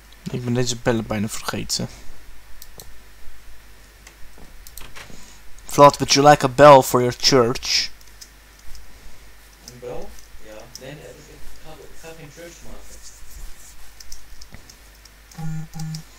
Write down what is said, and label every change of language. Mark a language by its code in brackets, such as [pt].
[nl] Ik ben deze bellen bijna vergeten. [en] Vlad, would you like a bell for your church? [nl] Een bel? Ja. Nee, ik ga geen church maken.